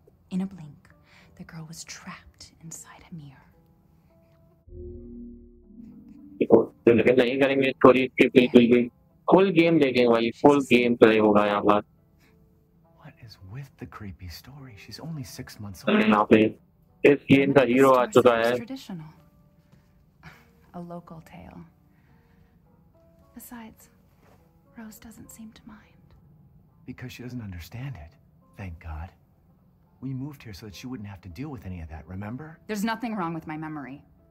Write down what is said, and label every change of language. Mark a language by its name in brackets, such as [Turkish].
[English] In a blink, the girl was trapped inside a mirror. [Hindi] लेकिन नहीं करेंगे story के बिल्कुल भी, फुल गेम देखेंगे भाई, फुल गेम प्ले होगा यहाँ पर। [English] What is with the creepy story? She's only 6 months old. [Hindi] यहाँ पे इस गेम का हीरो आ चुका है। [English] A local tale. Besides, Rose doesn't seem to mind. Because she doesn't understand it. Thank God. We moved here so that she wouldn't have to deal with any of that, remember? There's nothing wrong with my memory.